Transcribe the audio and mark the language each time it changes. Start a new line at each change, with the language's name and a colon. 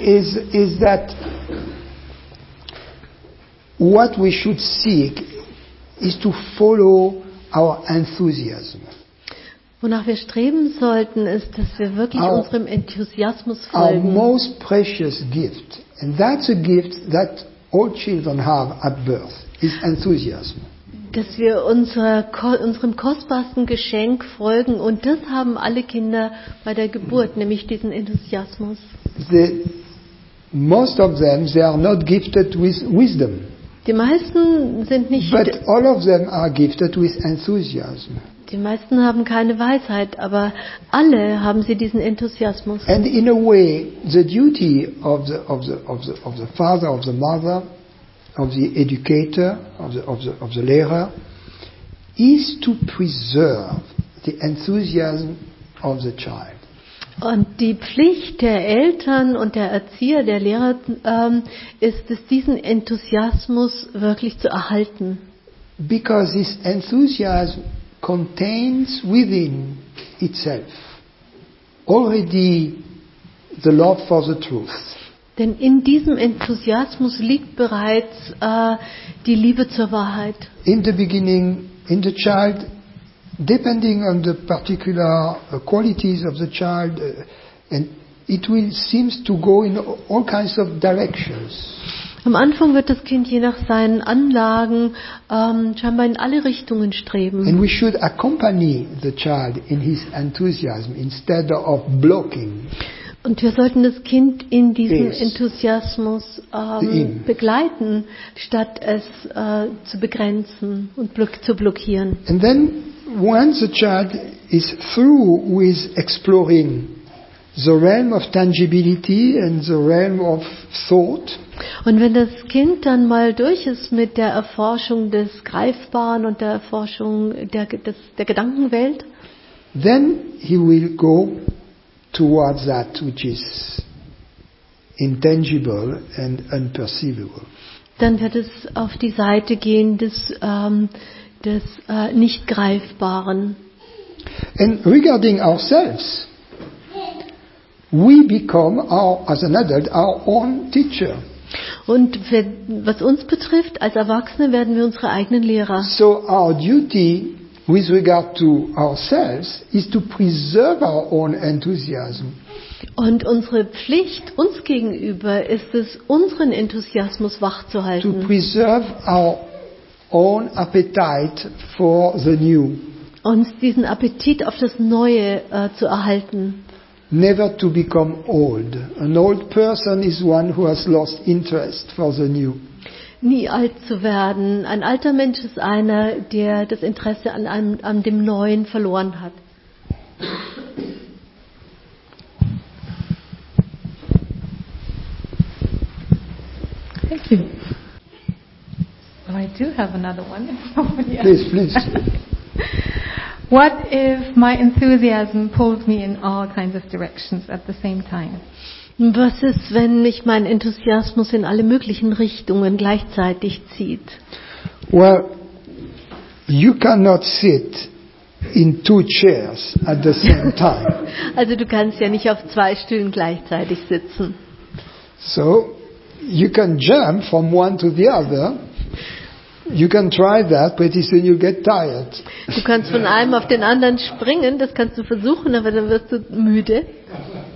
English: Is that what we should seek is to follow our enthusiasm.
German: Wonach wir streben sollten, ist, dass wir wirklich unserem Enthusiasmus folgen.
English: Our most precious gift, and that's a gift that all children have at birth, is enthusiasm.
German: Dass wir unserem kostbarsten Geschenk folgen, und das haben alle Kinder bei der Geburt, nämlich diesen Enthusiasmus.
English: Most of them, they are not gifted with wisdom.
German: Die meisten sind nicht.
English: But all of them are gifted with enthusiasm.
German: Die meisten haben keine Weisheit, aber alle haben sie diesen Enthusiasmus.
English: And in a way, the duty of the father, of the mother, of the educator, of the lehrer, is to preserve the enthusiasm of the child.
German: Und die Pflicht der Eltern und der Erzieher, der Lehrer, ist es, diesen Enthusiasmus wirklich zu erhalten.
English: Because this enthusiasm contains within itself already the love for the truth.
German: Denn in diesem Enthusiasmus liegt bereits die Liebe zur Wahrheit.
English: In the beginning, in the child, depending on the particular qualities of the child, and it will seem to go in all kinds of directions.
German: Am Anfang wird das Kind je nach seinen Anlagen scheinbar in alle Richtungen streben.
English: And we should accompany the child in his enthusiasm instead of blocking.
German: Und wir sollten das Kind in diesem Enthusiasmus begleiten, statt es zu begrenzen und zu blockieren.
English: And then once the child is through with exploring the realm of tangibility and the realm of thought.
German: Und wenn das Kind dann mal durch ist mit der Erforschung des Greifbaren und der Erforschung der Gedankenwelt,
English: then he will go towards that which is intangible and unperceivable.
German: Dann wird es auf die Seite gehen des nicht Greifbaren.
English: And regarding ourselves, we become as an adult our own teacher.
German: Und was uns betrifft, als Erwachsene werden wir unsere eigenen Lehrer.
English: So our duty with regard to ourselves is to preserve our own enthusiasm.
German: Und unsere Pflicht uns gegenüber ist es, unseren Enthusiasmus wachzuhalten.
English: To preserve our own appetite for the new.
German: Uns diesen Appetit auf das Neue zu erhalten.
English: Never to become old. An old person is one who has lost interest for the new.
German: Nie alt zu werden. Ein alter Mensch ist einer, der das Interesse an dem Neuen verloren hat.
English: Thank you. Well, I do have another one. Please. What if my enthusiasm pulls me in all kinds of directions at the same time?
German: Was ist, wenn mich mein Enthusiasmus in alle möglichen Richtungen gleichzeitig zieht?
English: Well, you cannot sit in two chairs at the same time.
German: Also du kannst ja nicht auf zwei Stühlen gleichzeitig sitzen.
English: So, you can jump from one to the other. You can try that, but soon you get tired.
German: Du kannst von einem auf den anderen springen, das kannst du versuchen, aber dann wirst du müde.